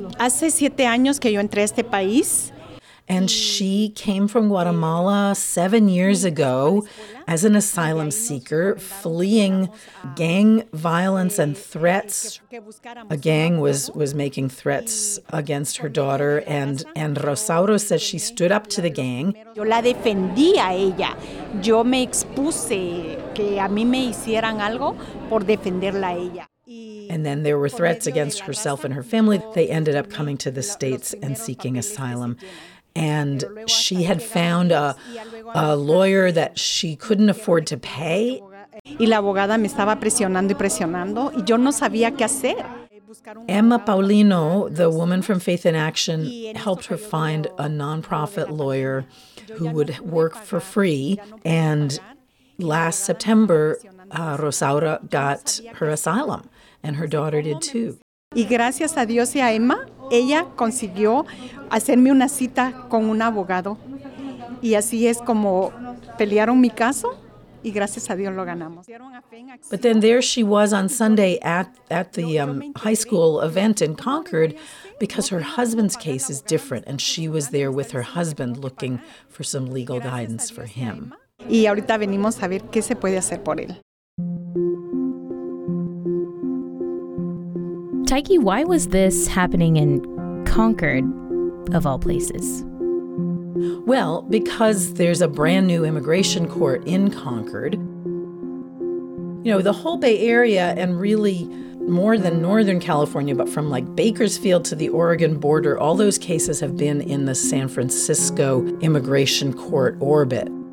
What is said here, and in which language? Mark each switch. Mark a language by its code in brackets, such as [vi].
[es] Hace 7 años que yo entré a este país. [en] And she came from Guatemala 7 years ago as an asylum seeker, fleeing gang violence and threats. A gang was making threats against her daughter, and Rosauro says she stood up to the gang. [es] Yo la defendí a ella. Yo me expuse que a mí me hicieran algo por defenderla a ella. [en] And then there were threats against herself and her family. They ended up coming to the States and seeking asylum. And she had found a lawyer that she couldn't afford to pay. [es] Y la abogada me estaba presionando y presionando, y yo no sabía qué hacer. [en] Emma Paulino, the woman from Faith in Action, helped her find a nonprofit lawyer who would work for free. And last September, Rosaura got her asylum, and her daughter did too. [es] Y gracias a Dios y a Emma, ella consiguió hacerme una cita con un abogado. Y así es como pelearon mi caso, y gracias a Dios lo ganamos. [en] But then there she was on Sunday at the high school event in Concord, because her husband's case is different, and she was there with her husband looking for some legal guidance for him. [es] Y ahorita venimos a ver qué se puede hacer por él. [en] Taiki, why was this happening in Concord, of all places? Well, because there's a brand new immigration court in Concord. You know, the whole Bay Area, and really more than Northern California, but from like Bakersfield to the Oregon border, all those cases have been in the San Francisco immigration court orbit.